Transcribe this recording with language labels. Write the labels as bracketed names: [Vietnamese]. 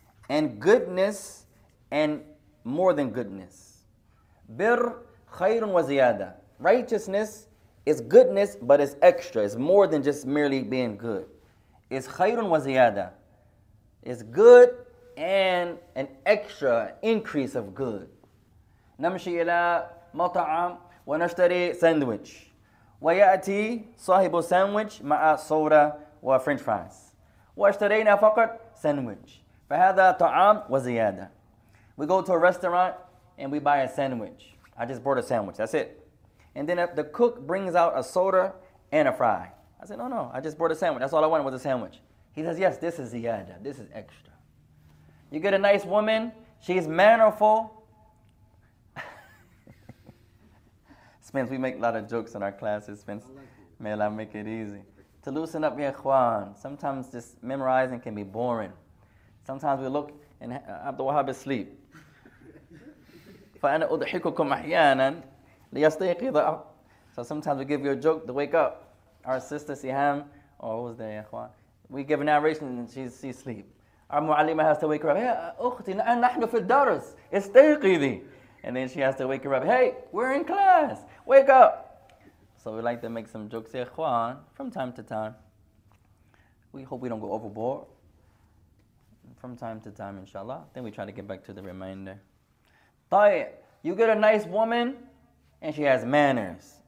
[English] and goodness and more than goodness بر خير وزيادة Righteousness is goodness, but it's extra. It's more than just merely being good. It's khayrun wa ziyada. is good and an extra increase of good. [Arabic] نمشي إلى مطعم ونشتري ساندويتش. ويأتي صاحب الساندويتش مع صودا وفرنش فرايز. واشترينا فقط ساندويتش. فهذا طعام وزيادة. [English] We go to a restaurant and we buy a sandwich. I just bought a sandwich, that's it. And then the cook brings out a soda and a fry. I said, no, I just bought a sandwich. That's all I wanted was a sandwich. He says, yes, this is ziyada, this is extra. You get a nice woman, she's mannerful. Spence, we make a lot of jokes in our classes, Spence. May Allah make it easy. To loosen up, ya khwan, sometimes just memorizing can be boring. Sometimes we look and Abdul Wahab is asleep. [Arabic] فأنا أضحككم أحيانا ليستيقظ. [English] So sometimes we give you a joke to wake up. Our sister Siham, or who's there, Yahwa? We give a narration and she's asleep. Our mu'allima has to wake her up. [Arabic] Hey, أختي, نحن في الدرس. استيقظي. [English] And then she has to wake her up. Hey, we're in class. Wake up. So we like to make some jokes, Yahwa, from time to time. We hope we don't go overboard. From time to time, inshallah. Then we try to get back to the reminder. طيب, you get a nice woman, and she has manners.